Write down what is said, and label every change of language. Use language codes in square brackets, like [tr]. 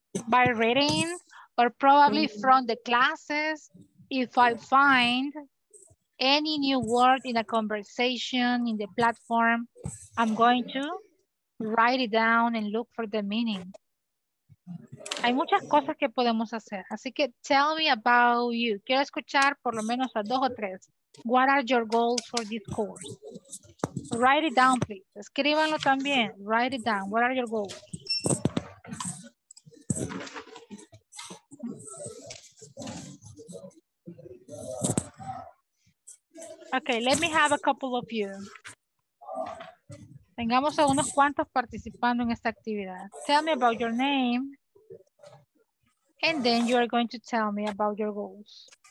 [en] By reading, or probably from the classes, if I find any new word in a conversation, in the platform, I'm going to write it down and look for the meaning. [es] Hay muchas cosas que podemos hacer. Así que [en] tell me about you. [es] Quiero escuchar por lo menos a dos o tres. [en] What are your goals for this course? Write it down, please. [es] Escríbanlo también. [en] Write it down. What are your goals? Okay, let me have a couple of you. [es] Tengamos a unos cuantos participando en esta actividad. [en] Tell me about your name. And then you are going to tell me about your goals.